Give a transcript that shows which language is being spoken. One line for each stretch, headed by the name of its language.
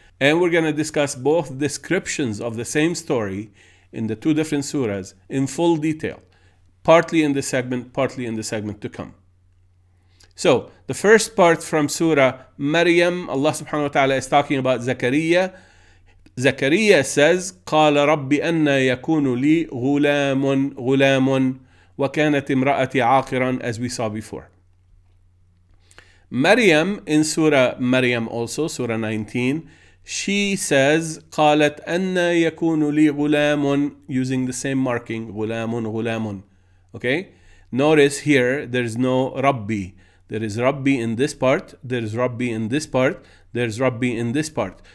English: And we're going to discuss both descriptions of the same story in the two different surahs in full detail, partly in this segment, partly in the segment to come. So, the first part from Surah Maryam, Allah subhanahu wa ta'ala is talking about Zakariya. Zakariya says,
Arabic: قَالَ رَبِّ أَنَّا يَكُونُ لِي غُلَامٌ غُلَامٌ وَكَانَتْ إِمْرَأَتِي عَاقِرًا,
English: as we saw before. Maryam in Surah Maryam also, Surah 19, she says,
Arabic: قَالَتْ أَنَّا يَكُونُ لِي غُلَامٌ,
English: using the same marking, غُلَامٌ غُلَامٌ. Okay? Notice here, there's no Rabbi. There is Rabbi in this part, there's Rabbi in this part, there's Rabbi in this part.